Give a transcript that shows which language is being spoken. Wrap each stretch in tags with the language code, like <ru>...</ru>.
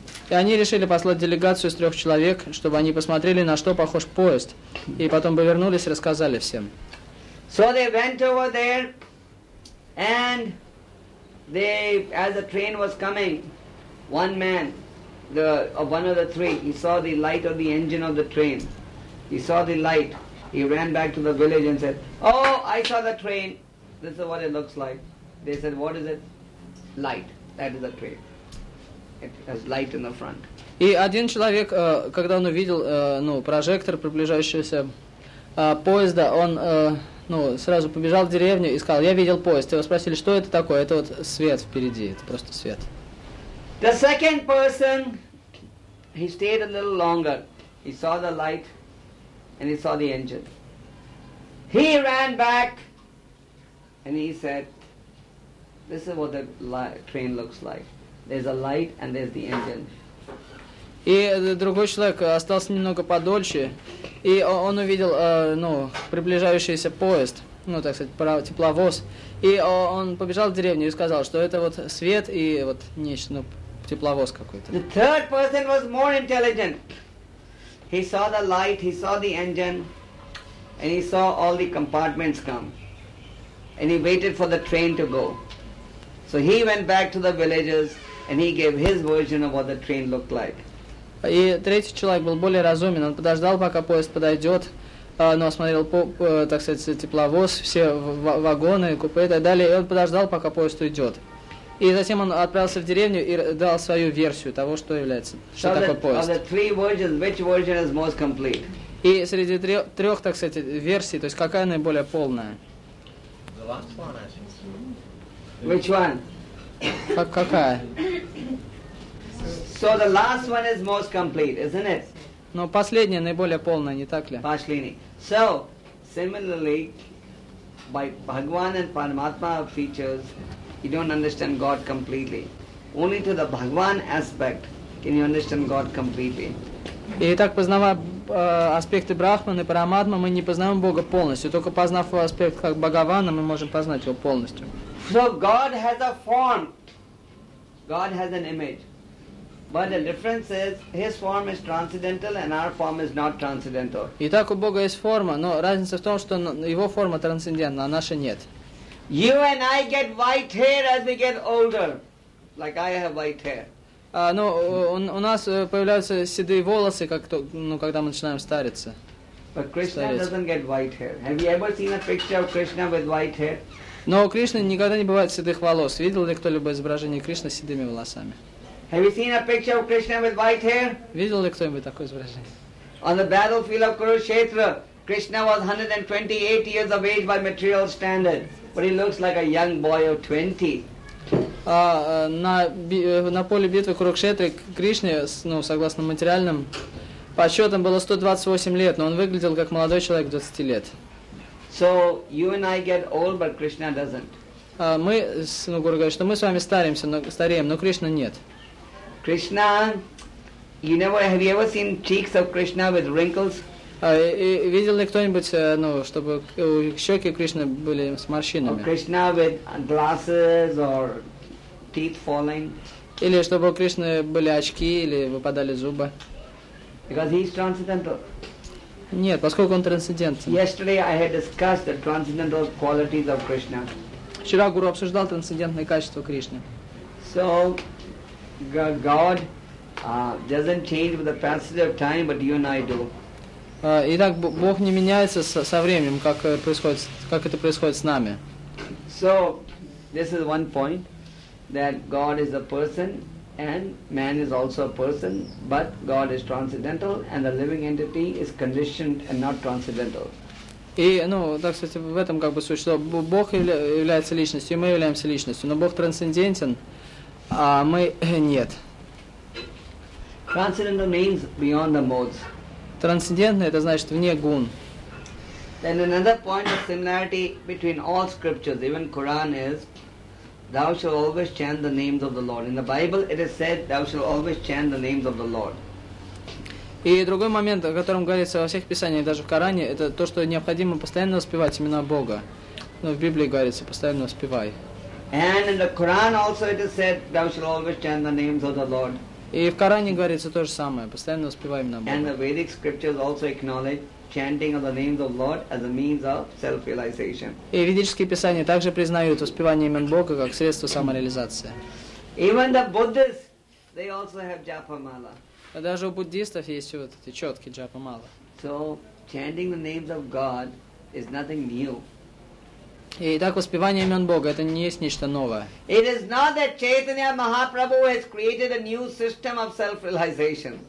<ru>И они решили послать делегацию из трех человек, чтобы они посмотрели, на что похож поезд, и потом бы вернулись и рассказали всем.</ru> <en>So they went over there, and they, as the train was coming, one man, one of the three, he saw the light of the engine of the train. He saw the light. He ran back to the village and said, oh, I saw the train. This is what it looks like. They said, what is it? Light. That is the train. It has light in the front.</en> <ru>И один человек, когда он увидел прожектор приближающегося поезда, он сразу побежал в деревню и сказал, я видел поезд. Его спросили, что это такое? Это вот свет впереди. Это просто свет.</ru> <en>The second person, he stayed a little longer. He saw the light. And he saw the engine. He ran back and he said, this is what the train looks like. There's a light and there's the engine.</en> <ru>И другой человек остался немного подольше, и он увидел приближающийся поезд, тепловоз. И он побежал в деревню и сказал, что это вот свет и вот нечто, тепловоз какой-то.</ru> <en>The third person was more intelligent. He saw the light, he saw the engine, and he saw all the compartments come. And he waited for the train to go. So he went back to the villagers, and he gave his version of what the train looked like.</en> <ru>И третий человек был более разумен. Он подождал, пока поезд подойдет, но осмотрел, тепловоз, все вагоны, купе и так далее. И он подождал, пока поезд уйдет. И затем он отправился в деревню и дал свою версию того, что является, что такое поезд.</ru> <en>Of the three versions, which version is most complete?</en> <ru>И среди трех, версий, то есть какая наиболее полная?</ru> <en>The last one, I think. Which one?</en> <ru>Какая?</ru> <en>So the last one is most complete, isn't it?</en> <ru>Но последнее наиболее полное, не так ли? Пашлини.</ru> <en>So, similarly, by Bhagavan and Paramatma features, you don't understand God completely. Only through the Bhagavan aspect can you understand God completely.</en> <ru>И так, познавая аспекты Брахмана и Параматмы, мы не познаем Бога полностью. Только познав его аспект как Бхагавана, мы можем познать его полностью.</ru> <en>So God has a form. God has an image. But the difference is, His form is transcendental and our form is not transcendental.</en> <ru>Итак, у Бога есть форма, но разница в том, что Его форма трансцендентна, а наша нет.</ru> <en>You and I get white hair as we get older. Like I have white hair.</en> <ru>Ну, у нас появляются седые волосы, как то, ну, когда мы начинаем стариться.</ru> <en>But Krishna doesn't get white hair. Have you ever seen a picture of Krishna with white hair?</en> <ru>Но у Кришны никогда не бывает седых волос. Видел ли кто-либо изображение Кришны с седыми волосами?</ru> <en>Have you seen a picture of Krishna with white hair?</en> <ru>Видел ли кто-нибудь такое изображение?</ru> <en>On the battlefield of Kurukshetra, Krishna was 128 years of age by material standards, but he looks like a young boy of 20.</en> <ru>На поле битвы Курукшетры Кришне, ну, согласно материальным подсчетам, было 128 лет, но он выглядел как молодой человек 20 лет.</ru> <en>So you and I get old, but Krishna doesn't.</en> <ru>Мы, ну, Гуру говорит, что мы с вами старимся, но стареем, но Кришна нет.</ru> <en>Krishna, have you ever seen cheeks of Krishna with wrinkles?</en> <ru>Видел ли кто-нибудь, ну, чтобы щеки Кришны были с морщинами?</ru> <en>Or Krishna with glasses or teeth falling?</en> <ru>Или чтобы у Кришны были очки или выпадали зубы?</ru> <en>Because he is transcendental.</en> <ru>Нет, поскольку он трансцендентен.</ru> <en>Yesterday I had discussed the transcendental qualities of Krishna.</en> <ru>Вчера Гуру обсуждал трансцендентные качества Кришны.</ru> <en>So God doesn't change with the passage of time, but you and I do.</en> <ru>Итак, Бог не меняется со временем, как это происходит с нами.</ru> <en>So this is one point, that God is a person and man is also a person, but God is transcendental and the living entity is conditioned and not transcendental.</en> <ru>И, ну, так, кстати, в этом как бы суть, что Бог является личностью, и мы являемся личностью, но Бог трансцендентен, а мы нет.</ru> <en>Transcendental means beyond the modes.</en> <ru>Трансцендентное — это значит вне гун.</ru> <en>Then another point of similarity between all scriptures, even Quran, is thou shalt always chant the names of the Lord. In the Bible it is said thou shalt always chant the names of the Lord.</en> <ru>И другой момент, о котором говорится во всех писаниях, даже в Коране, это то, что необходимо постоянно воспевать имена Бога. Но в Библии говорится: постоянно воспевай.</ru> <en>And in the Quran also it is said thou shalt always chant the names of the Lord.</en> <ru>И в Коране говорится то же самое: постоянно воспеваем имена Бога.</ru> <en>And the Vedic scriptures also acknowledge chanting of the names of Lord as a means of self-realization.</en> <ru>И ведические писания также признают воспевание имен Бога как средство самореализации.</ru> <en>Even the Buddhists, they also have japa mala.</en> <ru>А даже у буддистов есть вот эти четкие джапа мала.</ru> <en>So chanting the names of God is nothing new.</en> <ru>И так воспевание имен Бога — это не есть нечто новое.</ru> <en>It is not that Chaitanya Mahaprabhu has created a new system of self-realization.</en>